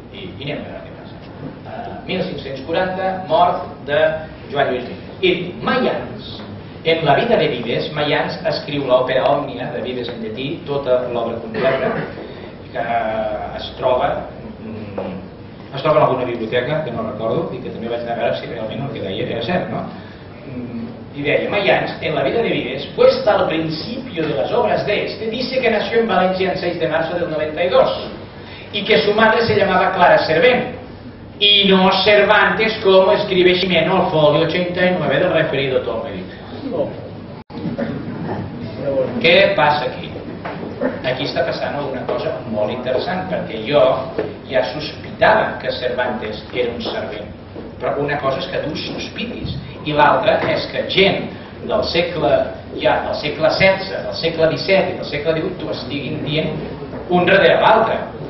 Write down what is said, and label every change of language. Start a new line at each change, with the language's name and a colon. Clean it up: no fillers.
Catalan: I anem a veure què passa. 1540, mort de Joan Lluís Vives. I mai abans En la vida de Vives, Mayans escriu l'òpera òmnia de Vives en llatí, tota l'obra completa, que es troba en alguna biblioteca, que no recordo, i que també vaig anar a veure si realment el que deia era cert, no? I deia,
Spanish: Mayans, en la vida de Vives, puesta al principio de las obras de este, dice que nació en València el 6 de marzo del 92, y que su madre se llamaba Clara Servent, y no Cervantes, como escribe Ximeno al folio 89 del referido Tomeric.
Catalan: Què passa aquí? Aquí està passant alguna cosa molt interessant, perquè jo ja sospitava que Cervantes era un servent, però una cosa és que tu sospitis, i l'altra és que gent del segle, ja, del segle XVI, del segle XVII i del segle XVIII t'ho estiguin dient un darrere l'altre.